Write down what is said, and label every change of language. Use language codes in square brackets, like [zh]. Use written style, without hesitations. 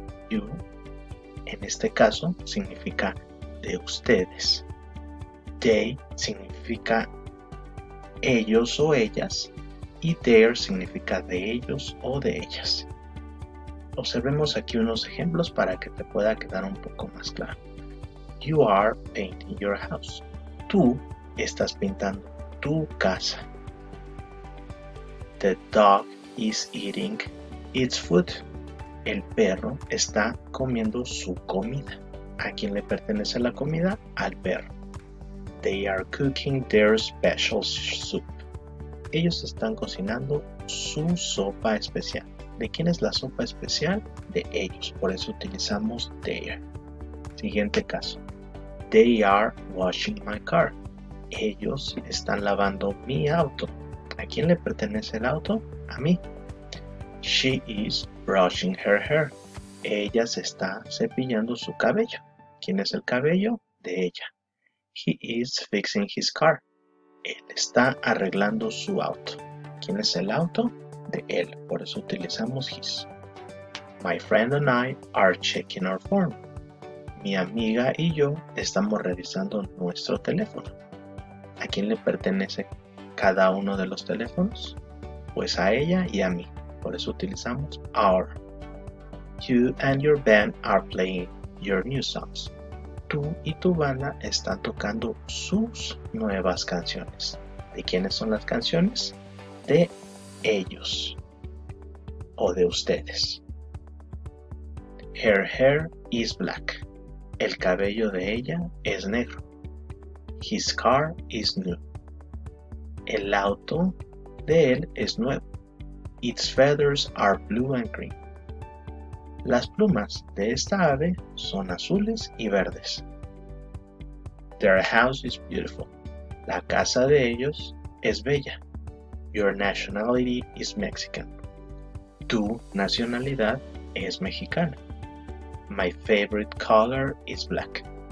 [es] You, en este caso, significa de ustedes. They significa ellos o ellas y their significa de ellos o de ellas. Observemos aquí unos ejemplos para que te pueda quedar un poco más claro. [en] You are painting your house. [es] Tú estás pintando tu casa. [en] The dog is eating its food. [es] El perro está comiendo su comida. ¿A quién le pertenece la comida? Al perro. [en] They are cooking their special soup. [es] Ellos están cocinando su sopa especial. ¿De quién es la sopa especial? De ellos. Por eso utilizamos their. Siguiente caso. [en] They are washing my car. [es] Ellos están lavando mi auto. ¿A quién le pertenece el auto? A mí. [en] She is brushing her hair. [es] Ella se está cepillando su cabello. ¿Quién es el cabello? De ella. [en] He is fixing his car. [es] Él está arreglando su auto. ¿Quién es el auto? De él, por eso utilizamos his. [en] My friend and I are checking our phone. [es] Mi amiga y yo estamos revisando nuestro teléfono. ¿A quién le pertenece cada uno de los teléfonos? Pues a ella y a mí, por eso utilizamos our. [en] You and your band are playing your new songs. [es] Tú y tu banda están tocando sus nuevas canciones. ¿De quiénes son las canciones? De ellos o de ustedes. [en] Her hair is black. [es] El cabello de ella es negro. [en] His car is new. [es] El auto de él es nuevo. [en] Its feathers are blue and green. [es] Las plumas de esta ave son azules y verdes. [en] Their house is beautiful. [es] La casa de ellos es bella. [en] Your nationality is Mexican. [es] Tu nacionalidad es mexicana. [en] My favorite color is black.